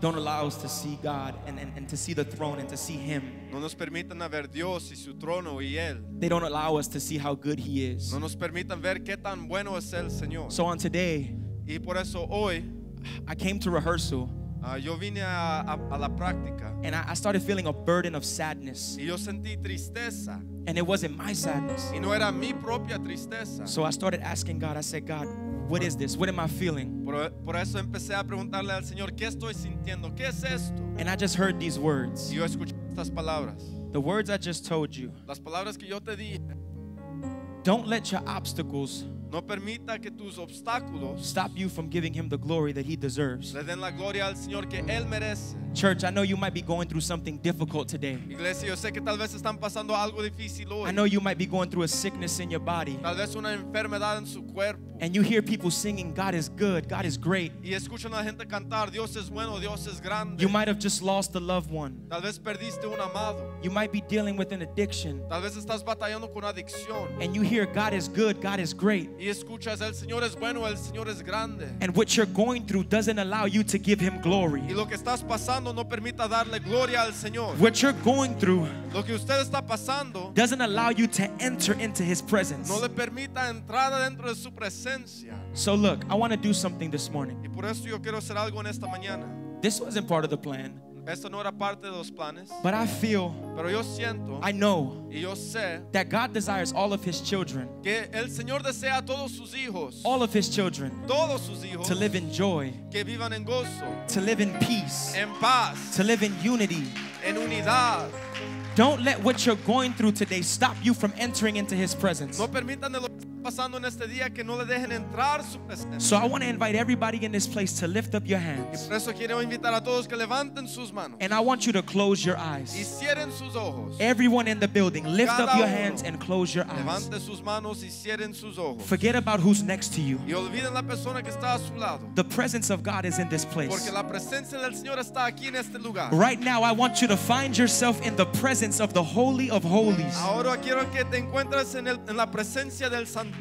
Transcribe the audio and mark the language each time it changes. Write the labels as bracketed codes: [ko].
[en] don't allow us to see God and to see the throne and to see Him. [es] No nos permitan ver Dios y su trono y él. [en] They don't allow us to see how good He is. [es] No nos permitan ver qué tan bueno es el Señor. [en] So on today, [es] y por eso hoy, [en] I came to rehearsal. [es] Yo vine a la práctica. [en] And I started feeling a burden of sadness. [es] Y yo sentí tristeza. [en] And it wasn't my sadness. [es] Y no era mi propia tristeza. [en] So I started asking God. I said, God, what is this? What am I feeling? [es] Por eso empecé a preguntarle al Señor, ¿qué estoy sintiendo? ¿Qué es esto? [en] And I just heard these words. [es] Y yo escuché estas palabras. [en] The words I just told you. [es] Las palabras que yo te dije. [en] Don't let your obstacles, [es] no permita que tus obstáculos, [en] stop you from giving Him the glory that He deserves. [es] Le den la gloria al Señor que Él merece. [en] Church, I know you might be going through something difficult today. [es] Iglesia, yo sé que tal vez están pasando algo difícil hoy. [en] I know you might be going through a sickness in your body. [es] Tal vez una enfermedad en su cuerpo. [en] And you hear people singing, God is good, God is great. [es] Y escuchan a la gente cantar, Dios es bueno, Dios es grande. [en] You might have just lost a loved one. [es] Tal vez perdiste un amado. [en] You might be dealing with an addiction. [es] Tal vez estás batallando con adicción. [en] And you hear, God is good, God is great. [es] Y escuchas, el Señor es bueno, el Señor es grande. [en] And what you're going through doesn't allow you to give Him glory. [es] Y lo que estás pasando no permita darle gloria al Señor. [en] What you're going through, [es] lo que usted está pasando, [en] doesn't allow you to enter into His presence. [es] No le permita entrar dentro de su presencia. [en] So look, I want to do something this morning. [es] Y por eso yo quiero hacer algo en esta mañana. [en] This wasn't part of the plan. [es] Esto no era parte de los planes. [en] But I feel, [es] pero yo siento, [en] I know, [es] y yo sé, [en] that God desires all of His children, [es] que el Señor desea a todos sus hijos, [en] all of His children, [es] todos sus hijos, [en] to live in joy, [es] que vivan en gozo, [en] to live in peace, [es] en paz, [en] to live in unity, [es] en unidad. [en] Don't let what you're going through today stop you from entering into His presence. [es] No permitan de lo que está pasando en este día que no le dejen entrar su presencia. [en] So I want to invite everybody in this place to lift up your hands. [es] Y por eso quiero invitar a todos que levanten sus manos. [en] And I want you to close your eyes. [es] Y cierren sus ojos. [en] Everyone in the building, lift [es] Cada [en] up your hands and close your eyes. [es] Levante sus manos y cierren sus ojos. [en] Forget about who's next to you. [es] Y olviden la persona que está a su lado. [en] The presence of God is in this place. [es] Porque la presencia del Señor está aquí en este lugar. [en] Right now I want you to find yourself in the presence of the Holy of Holies. [es] Ahora quiero que te encuentres en el, en la presencia del Santísimo.